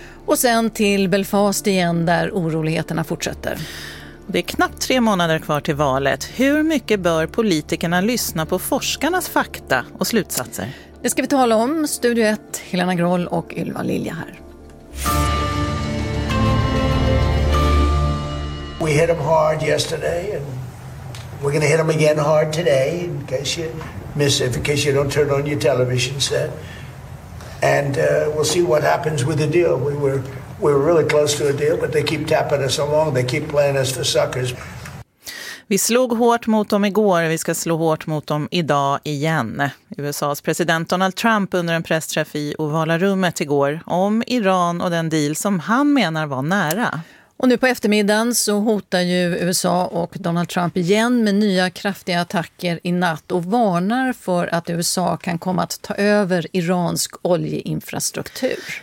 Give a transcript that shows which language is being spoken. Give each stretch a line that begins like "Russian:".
Swedish: Och sen till Belfast igen där oroligheterna fortsätter. Det är knappt 3 månader kvar till valet. Hur mycket bör politikerna lyssna på forskarnas fakta och slutsatser? Det ska vi tala om. Studio 1, Helena Groll och Ylva Lilja här.
English: We hit them hard yesterday and we're going to hit them again hard today in case you miss it, in case you don't turn on your television set. And we'll see what happens with the deal. We were really close to a deal, but they keep tapping us along. They keep playing us for suckers.
Swedish: Vi slog hårt mot dem igår. Vi ska slå hårt mot dem idag igen. USAs president Donald Trump under en pressträff i Ovala rummet igår om Iran och den deal som han menar var nära. Och nu på eftermiddagen så hotar ju USA och Donald Trump igen med nya kraftiga attacker i natt och varnar för att USA kan komma att ta över iransk oljeinfrastruktur.